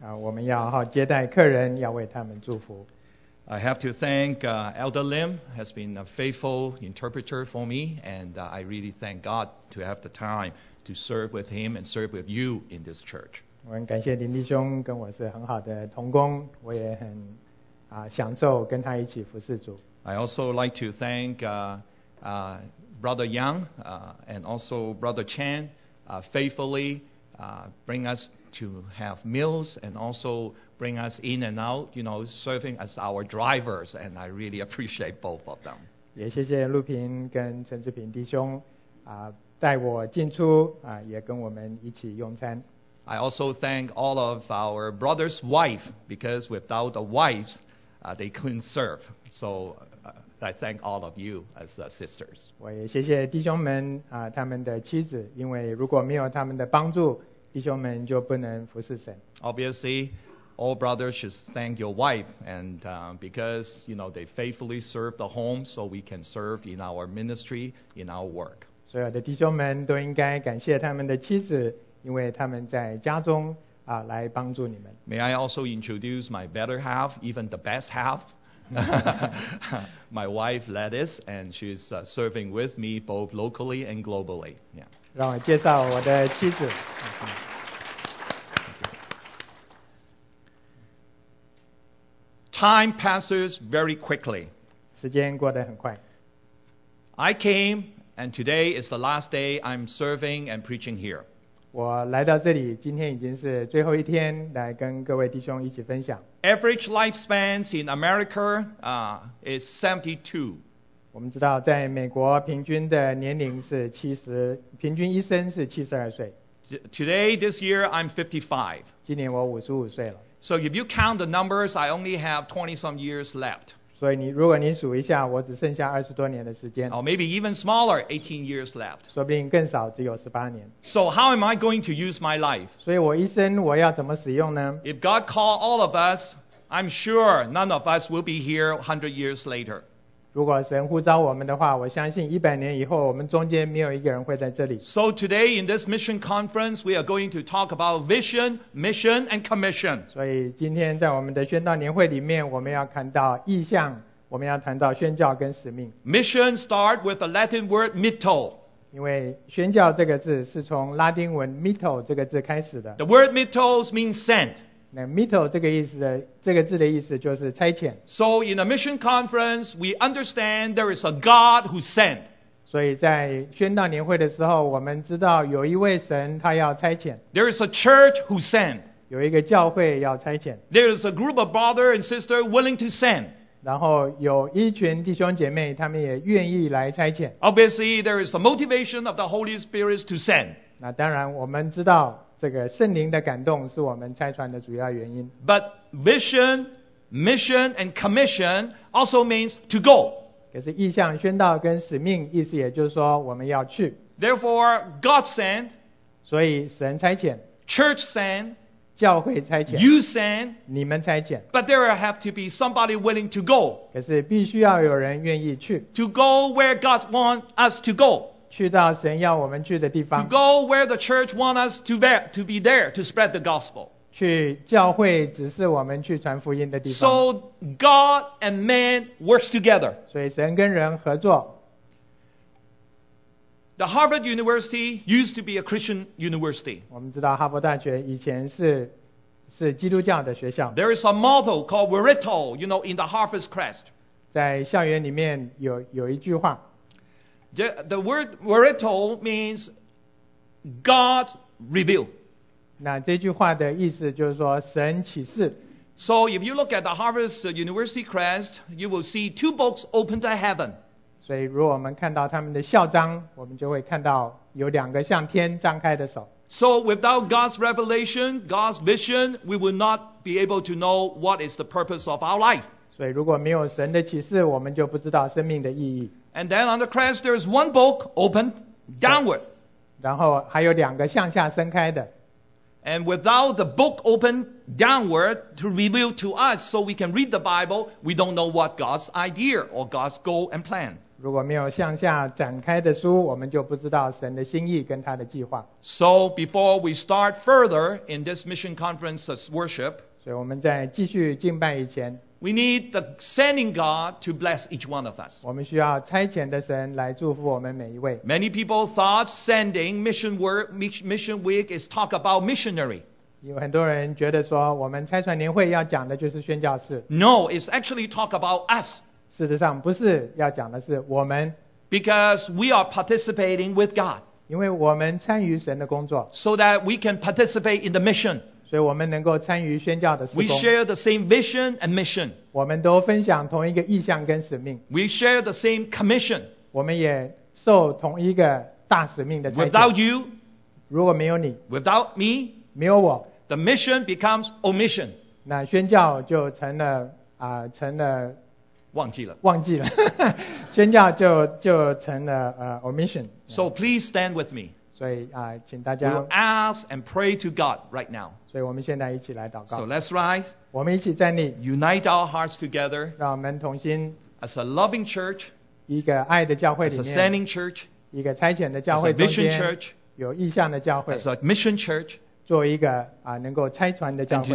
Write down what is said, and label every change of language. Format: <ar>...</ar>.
<zh>我们要好接待客人，要为他们祝福。</zh> <en>I have to thank Elder Lim has been a faithful interpreter for me, and I really thank God to have the time to serve with him and serve with you in this church.</en> <zh>我很感谢林弟兄跟我是很好的同工，我也很享受跟他一起服侍主。</zh> <en>I also like to thank Brother Yang and also Brother Chen faithfully bring us to have meals and also bring us in and out, you know, serving as our drivers, and I really appreciate both of them.</en> <zh>也谢谢陆平跟陈志平弟兄带我进出也跟我们一起用餐。</zh> <en>I also thank all of our brother's wife, because without the wives, they couldn't serve. So I thank all of you as sisters.</en> <zh>我也谢谢弟兄们他们的妻子，因为如果没有他们的帮助，弟兄们就不能服侍神。</zh> <en>Obviously, all brothers should thank your wife, and because you know they faithfully serve the home, so we can serve in our ministry, in our work.</en> <zh>所有的弟兄们都应该感谢他们的妻子，因为他们在家中来帮助你们。</zh> <en>May I also introduce my better half, even the best half? My wife, Lettuce, and she's serving with me both locally and globally. Yeah.</en> <zh>让我介绍我的妻子。</zh> <en>Time passes very quickly.</en> <zh>时间过得很快。</zh> <en>I came, and today is the last day I'm serving and preaching here.</en> <zh>我来到这里，今天已经是最后一天，来跟各位弟兄一起分享。</zh> <en>Average lifespan in America is 72.</en> <zh>我们知道，在美国平均的年龄是70，平均一生是72岁。</zh> <en>Today, this year, I'm 55.</en> <zh>今年我55岁了。</zh> <en>So if you count the numbers, I only have 20-some years left.</en> <zh>所以你如果你数一下，我只剩下二十多年的时间。</zh> <en>Or maybe even smaller, 18 years left.</en> <zh>说不定更少，只有18年。</zh> <en>So how am I going to use my life?</en> <zh>所以我一生我要怎么使用呢？</zh> <en>If God called all of us, I'm sure none of us will be here 100 years later.</en> <zh>如果神呼召我们的话，我相信100年以后，我们中间没有一个人会在这里。</zh> <en>So today in this mission conference, we are going to talk about vision, mission, and commission.</en> <zh>所以今天在我们的宣道年会里面，我们要谈到意向，我们要谈到宣教跟使命。</zh> <en>Mission start with the Latin word mitto.</en> <zh>因为宣教这个字是从拉丁文 mitto 这个字开始的。</zh> <en>The word mitto means sent.</en> <zh>那 mitto 这个字的意思就是差遣。</zh> <en>So in a mission conference, we understand there is a God who sent.</en> <zh>所以在宣道年会的时候，我们知道有一位神他要差遣。</zh> <en>There is a church who sent.</en> <zh>有一个教会要差遣。</zh> <en>There is a group of brothers and sisters willing to send.</en> <zh>然后有一群弟兄姐妹，他们也愿意来差遣。</zh> <en>Obviously, there is the motivation of the Holy Spirit to send.</en> <zh>那当然，我们知道。这个圣灵的感动是我们差传的主要原因。</zh> <en>But vision, mission, and commission also means to go.</en> <zh>可是意向、宣道跟使命，意思也就是说我们要去。</zh> <en>Therefore, God sent.</en> <zh>所以神差遣。</zh> <en>Church sent.</en> <zh>教会差遣。</zh> <en>You sent.</en> <zh>你们差遣。</zh> <en>But there have to be somebody willing to go.</en> <zh>可是必须要有人愿意去。</zh> <en>To go where God wants us to go.</en> <zh>去到神要我们去的地方。</zh> <en>To go where the church wants us to be there to spread the gospel.</en> <zh>去教会只是我们去传福音的地方。</zh> <en>So God and man works together.</en> <zh>所以神跟人合作。</zh> <en>The Harvard University used to be a Christian university.</en> <zh>我们知道哈佛大学以前是基督教的学校。</zh> <en>There is a motto called Veritto, you know, in the Harvard Crest.</en> <zh>在校园里面有一句话。</zh> <en>The word Veritto means God reveal.</en> <zh>那这句话的意思就是说神启示。</zh> <en>So if you look at the Harvard University crest, you will see two books open to heaven.</en> <zh>所以如果我们看到他们的校章，我们就会看到有两个向天张开的手。</zh> <en>So without God's revelation, God's vision, we will not be able to know what is the purpose of our life.</en> <zh>所以如果没有神的启示，我们就不知道生命的意义。</zh> <en>And then on the crest, there is one book open downward.</en> <zh>然后还有两个向下伸开的。</zh> <en>And without the book open downward to reveal to us so we can read the Bible, we don't know what God's idea or God's goal and plan.</en> <zh>如果没有向下展开的书，我们就不知道神的心意跟他的计划。</zh> <en>So before we start further in this mission conference's worship,</en> <zh>所以我们在继续敬拜以前，</zh> <en>we need the sending God to bless each one of us.</en> <zh>我们需要差遣的神来祝福我们每一位。</zh> <en>Many people thought sending mission week is talk about missionary.</en> <zh>有很多人觉得说我们差传年会要讲的就是宣教士。</zh> <en>No, it's actually talk about us.</en> <zh>事实上不是要讲的是我们。</zh> <en>Because we are participating with God.</en> <zh>因为我们参与神的工作。</zh> <en>So that we can participate in the mission.</en> <zh>所以我们能够参与宣教的事工。</zh> <en>We share the same vision and mission.</en> <zh>我们都分享同一个意向跟使命。</zh> <en>We share the same commission.</en> <zh>我们也受同一个大使命的差遣。</zh> <en>Without you,</en> <zh>如果没有你。</zh> <en>Without me,</en> <zh>没有我，</zh> <en>the mission becomes omission.</en> <zh>那宣教就成了、成了忘记了忘记了宣教 就成了、omission.</zh> <en>So please stand with me.</en> <zh>所以、请大家</zh> <en>we'll ask and pray to God right now.</en> <zh>所以我们现在一起来祷告。</zh> <en>So let's rise.</en> <zh>我们一起站立。</zh> <en>Unite our hearts together.</en> <zh>让我们同心。</zh> <en>As a loving church.</en> <zh>一个爱的教会里面。</zh> <en>As a sending church.</en> <zh>一个差遣的教会中间。</zh> <en>As a vision church.</en> <zh>有意向的教会。</zh> <en>As a mission church.</en> <zh>做一个、能够拆船的教会。</zh>